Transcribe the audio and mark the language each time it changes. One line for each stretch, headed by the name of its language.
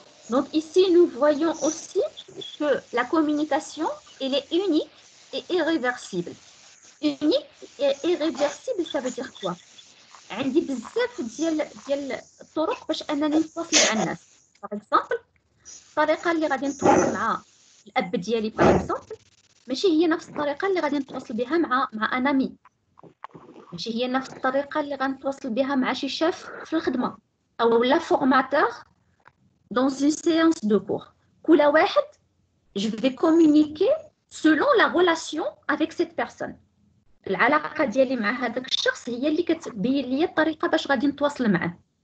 French: Donc ici, nous voyons aussi que la communication, elle est unique et irréversible. Unique et irréversible, ça veut dire quoi? On dit
Arabic: bzaf ديال الطرق باش انني نتواصل مع الناس.
French: Par exemple,
Arabic: الطريقه اللي غادي نتواصل مع الاب ديالي par exemple, ماشي هي نفس الطريقه اللي غادي نتواصل بها مع انامي. ماشي هي نفس الطريقه اللي غنتواصل بها مع شي شاف في الخدمه او لا فورماتور
French: dans une séance de cours.
Arabic: كل واحد
French: je vais communiquer selon la relation avec cette personne.
Arabic: العلاقه ديالي مع هذاك الشخص هي اللي كتبين لي الطريقه باش غادي نتواصل معاه.